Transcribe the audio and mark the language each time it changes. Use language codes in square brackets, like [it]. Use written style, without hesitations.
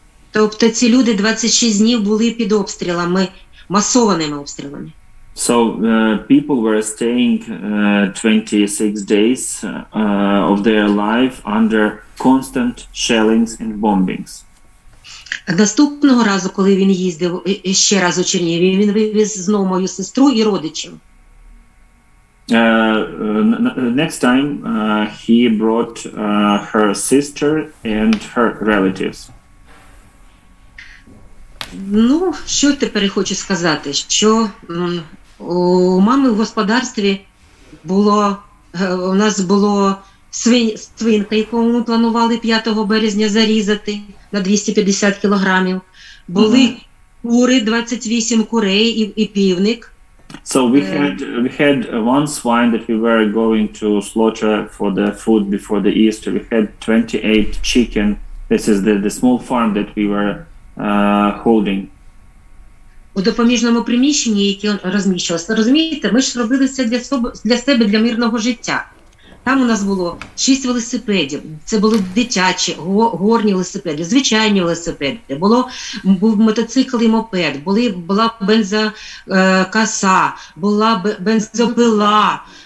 [uk] Тобто ці люди 26 днів були під обстрілами, масованими обстрілами. [en] So people were staying 26 days of their life under constant shellings and bombings. [uk] Наступного разу, коли він їздив ще раз у Чернігів, він вивіз знову мою сестру і родичів. [en] Next time he brought her sister and her relatives. [uk] Ну, що тепер хочу сказати, що у мами в господарстві було, у нас було свинка, яку ми планували 5 березня зарізати на 250 кілограмів. Були кури, 28 курей і півник. [en] So we had one swine that we were going to slaughter for the food before the Easter. We had 28 chicken. This is the small farm that we were holding. [uk] У допоміжному приміщенні, яке розміщувалося, розумієте, ми ж робили це для себе, для мирного життя. Там у нас було 6 велосипедів. Це були дитячі, горні велосипеди, звичайні велосипеди. Був мотоцикл і мопед, була бензокоса, була бензопила.